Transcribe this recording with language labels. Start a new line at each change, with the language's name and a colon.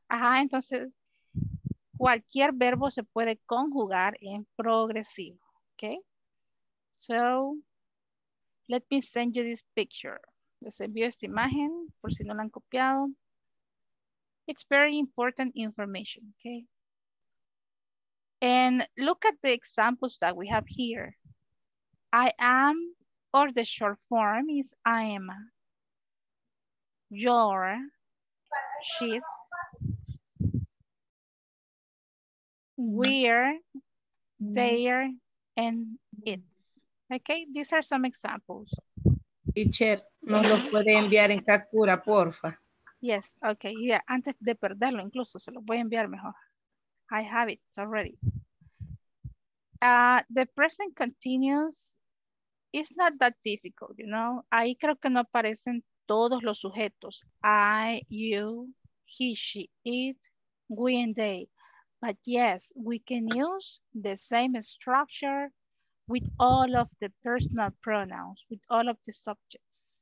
Spanish: Ajá, entonces cualquier verbo se puede conjugar en progresivo. Ok.
English: So, let me send you this picture.
Spanish: Les envío esta imagen por si no la han copiado.
English: It's very important information. Ok. And look at the examples that we have here. I am, or the short form is I am, you're, she's, we're, they're, and it's. Okay, these are some examples.
Spanish: Teacher, nos los puede enviar en captura, porfa.
English: Yes, okay, yeah,
Spanish: antes de perderlo, incluso se lo voy a enviar mejor.
English: I have it already. The present continuous. It's not that difficult, you know.
Spanish: Ahí creo que no aparecen todos los sujetos.
English: I, you, he, she, it, we, and they. But yes, we can use the same structure with all of the personal pronouns, with all of the subjects.